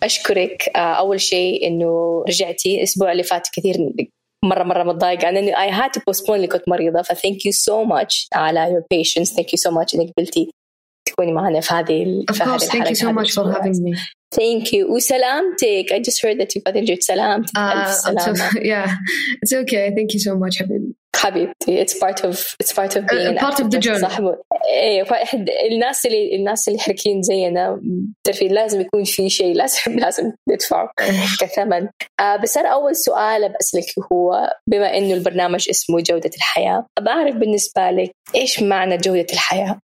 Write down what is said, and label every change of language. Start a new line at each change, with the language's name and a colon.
Arabic: أشكرك أول شيء أنه رجعتي الأسبوع اللي فات، كثير مرة متضايقة أنا أني
English: I had to postpone
Arabic: لكنت مريضة، ف
English: thank you so much
Arabic: على
English: your patience. Thank you so much
Arabic: أنك قبلتي تكوني معنا في هذه الحلقة.
English: Of course, thank you so much for having me. Thank you.
Arabic: وسلامتك.
English: I just heard that you got injured.
Arabic: سلامتك.
English: It's okay. Thank you so much, حبيبتي. It's part of being part of the journey.
Arabic: إيه. الناس اللي حركين زينا تعرفي لازم يكون في شيء لازم ندفع كثمن. بس أنا أول سؤال بأسألك هو، بما إنه البرنامج اسمه جودة الحياة، أبعرف بالنسبة لك إيش معنى جودة الحياة؟